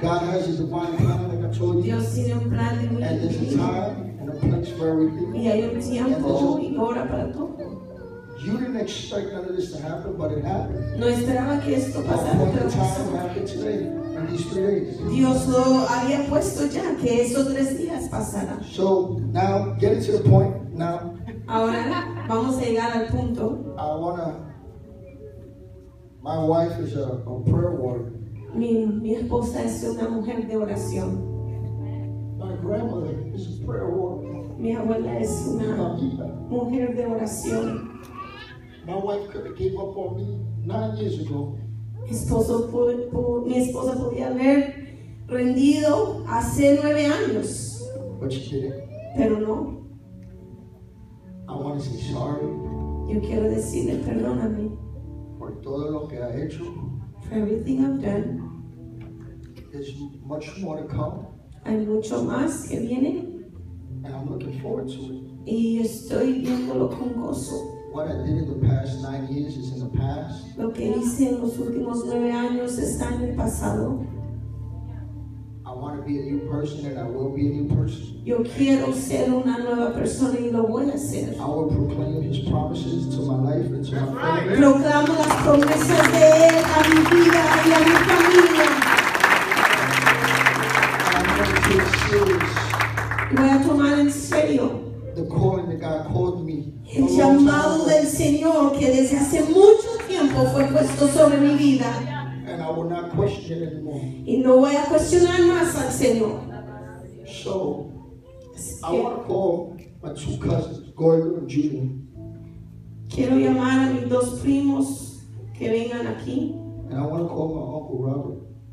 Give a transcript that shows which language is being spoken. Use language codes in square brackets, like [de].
[en] God has a divine plan, like I told you. [es] Dios tiene un plan de muy [en] and there's a time and a place for everything. [es] Y hay un tiempo y hora para todo. [en] You didn't expect none of this to happen, but it happened. [es] No esperaba que esto pasara, pero pasó. [en] And these 3 days. [es] Dios lo había puesto ya que esos 3 días pasaran. [en] So now, getting to the point now. [es] Ahora vamos a llegar al punto. [en] My wife is a prayer warrior. [es] Mi esposa es una mujer de oración. [en] My grandmother is a prayer warrior. [es] Mi abuela es una mujer de oración. [en] My wife could have gave up on me 9 years ago. [es] Mi esposa podía haber rendido hace 9 años. [en] But she didn't. [es] Pero no. [en] I want to say sorry. [es] Yo quiero decirle perdóname. Por todo lo que ha hecho. [en] For everything I've done. There's much more to come. [es] Hay mucho más que viene. [en] And I'm looking forward to it. [es] Y estoy viéndolo con gozo. [en] What I did in the past 9 years is in the past. [es] Lo que hice en los últimos 9 años está en el pasado. [en] I want to be a new person and I will be a new person. [es] Yo quiero ser una nueva persona y lo voy a hacer. [en] I will proclaim his promises to my life and to my family. [es] Proclamo las promesas de él a mi vida y a mi familia. [en] I'm going to take serious [es] voy a tomar en serio [en] the calling that God called me. [es] El llamado del Señor que desde hace mucho tiempo fue puesto sobre mi vida. [en] And I will not question anymore. [es] Y no voy a cuestionar más al Señor. [en] So, I want to call my two cousins, Gordon and Junior. [es] Quiero llamar a mis dos primos que vengan aquí. [en] And I want to call my uncle Robert.